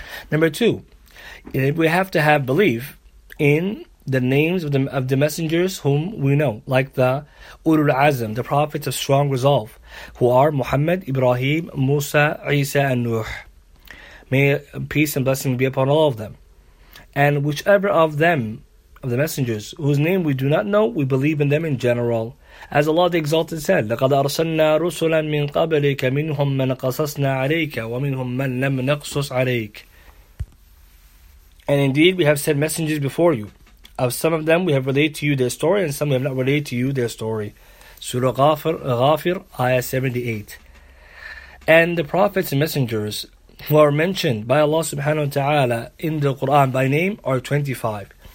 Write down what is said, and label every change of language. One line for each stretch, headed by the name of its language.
English: Number two, we have to have belief in the names of the messengers whom we know, like the Ulul Azm, the prophets of strong resolve, who are Muhammad, Ibrahim, Musa, Isa, and Nuh. May peace and blessing be upon all of them. And whichever of them, of the messengers, whose name we do not know, we believe in them in general. As Allah the Exalted said,
Arabic: لَقَدْ أَرْسَلْنَا رُسُلًا مِّن قَبْلِكَ مِنْهُمْ مَنْ قَصَصْنَا عَلَيْكَ وَمِنْهُمْ مَنْ لَمْ نَقْصُصْ عَلَيْكَ.
English: And indeed, we have sent messengers before you. Of some of them, we have related to you their story, and some we have not related to you their story. Surah Ghafir, Ayah 78. And the prophets and messengers who are mentioned by Allah subhanahu wa ta'ala in the Quran by name are 25.